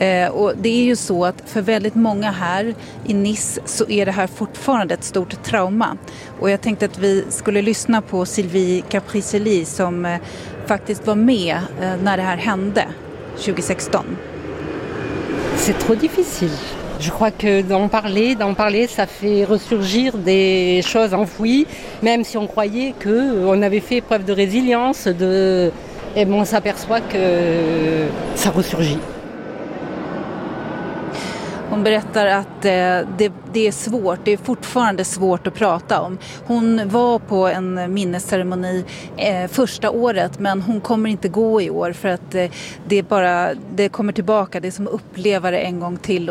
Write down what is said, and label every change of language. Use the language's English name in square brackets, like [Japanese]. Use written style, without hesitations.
[Swedish] Och det är ju så att för väldigt många här i Nice så är det här fortfarande ett stort trauma. Och jag tänkte att vi skulle lyssna på Sylvie Capricelli som faktiskt var med när det här hände 2016. [French] C'est trop difficile. Je crois que d'en parler, ça fait ressurgir des choses enfouies, même si on croyait que on avait fait preuve de résilience, de, et bon, on s'aperçoit que ça ressurgit. [Swedish] Hon berättar att det är svårt, det är fortfarande svårt att prata om. Hon var på en minnesceremoni första året, men hon kommer inte gå i år för att det kommer tillbaka, det är som att uppleva det en gång till.